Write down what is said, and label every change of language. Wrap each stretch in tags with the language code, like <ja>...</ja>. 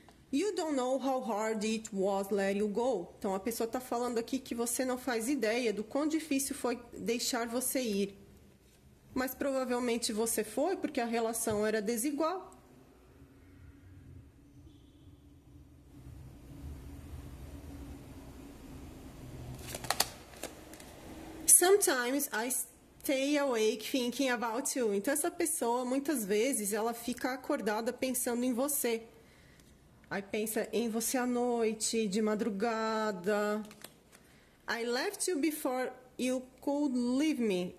<en>You don't know how hard it was letting you go.</en> <pt>Então a pessoa está falando aqui que você não faz ideia do quão difícil foi deixar você ir. Mas provavelmente você foi porque a relação era desigual.</pt> <en>Sometimes I stay awake thinking about you.</en> <pt>Então, essa pessoa, muitas vezes, ela fica acordada pensando em você. Aí pensa em você à noite, de madrugada.</pt> <en>I left you before you could leave me.</en>